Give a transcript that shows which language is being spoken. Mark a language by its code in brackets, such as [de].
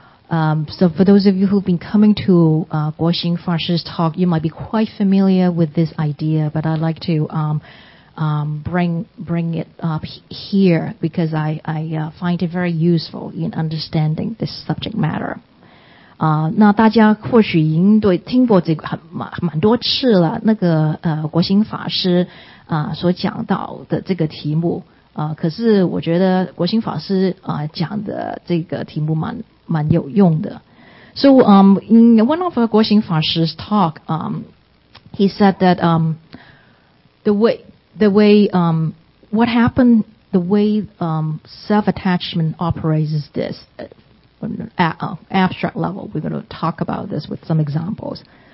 [en] So for those of you who've been coming to Guo Xing Fashi's talk, you might be quite familiar with this idea, but I'd like to bring it up here because I find it very useful in understanding this subject matter. [zh] 那大家或许已经对听过这个很蛮多次了，那个国兴法师所讲到的这个题目可是我觉得国兴法师讲的这个题目蛮有用的。 [en] So in one of 国兴法师's talk, he said that the way self-attachment operates is this. At abstract level, we're going to talk about this with some examples.